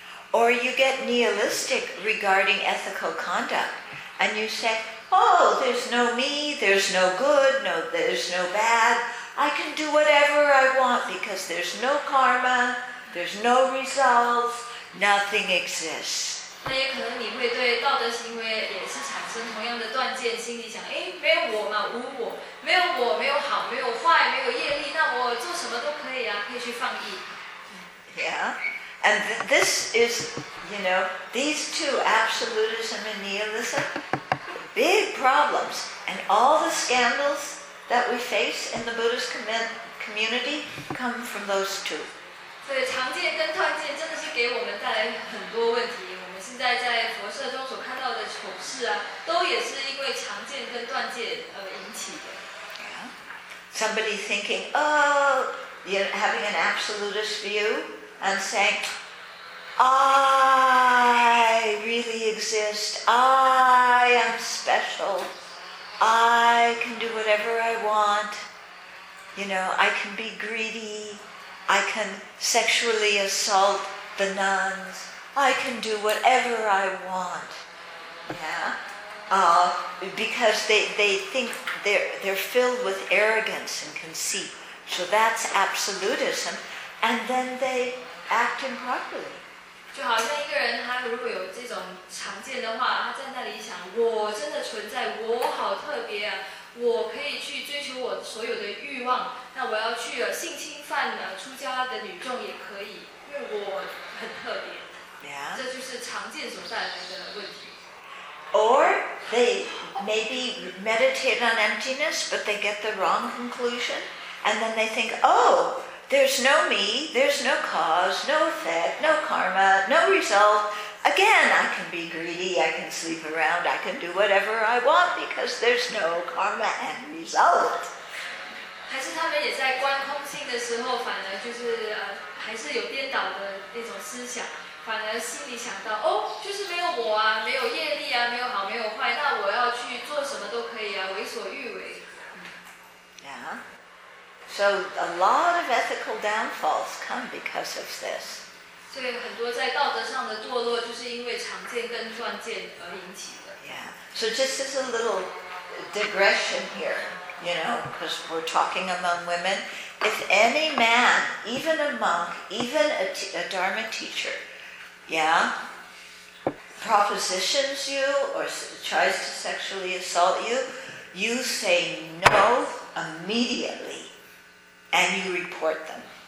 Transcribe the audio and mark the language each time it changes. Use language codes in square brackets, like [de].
[en] Or you get nihilistic regarding ethical conduct, and you say, oh, there's no me, there's no good, no, there's no bad, I can do whatever I want because there's no karma, there's no results, nothing exists. [zh] 那也可能你会对道德行为也是产生同样的断见，心里想，哎，没有我嘛，无我，没有我，没有好，没有坏，没有业力，那我做什么都可以啊，可以去放逸。 [en] Yeah, and this is, you know, these two, absolutism and nihilism, big problems, and all the scandals that we face in the Buddhist community come from those two. [zh] 对，常见跟断见真的是给我们带来很多问题。在佛社中所看到的丑事啊，都也是因为常见跟断见引起的。 [en] Yeah. Somebody thinking, oh, you're having an absolutist view and saying, I really exist. I am special. I can do whatever I want. You know, I can be greedy. I can sexually assault the nuns. I can do whatever I want, yeah. Because they think they're filled with arrogance and conceit. So that's absolutism, and then they act improperly. [zh] 就好像一个人他如果有这种常见的话，他在那里想，我真的存在，我好特别啊，我可以去追求我所有的欲望。那我要去性侵犯出家的女众也可以，因为我很特别。 [en] Yeah. [zh] 这就是常见所带来的问题。 [en] Or they maybe meditate on emptiness, but they get the wrong conclusion, and then they think, oh, there's no me, there's no cause, no effect, no karma, no result. Again, I can be greedy, I can sleep around, I can do whatever I want because there's no karma and result. [zh] 还是他们也在观空性的时候，反而就是还是有颠倒的那种思想。反而心里想到，哦，就是没有我啊，没有业力啊，没有好，没有坏，那我要去做什么都可以啊，为所欲为。 [en] Yeah. So a lot of ethical downfalls come because of this. [zh] 所以很多在道德上的堕落，就是因为常见跟断见而引起的。 [en] Yeah. So just as a little digression here, you know, because we're talking among women, if any man, even a monk, even a Dharma teacher,Yeah, propositions you or tries to sexually assault you, you say no immediately and you report them.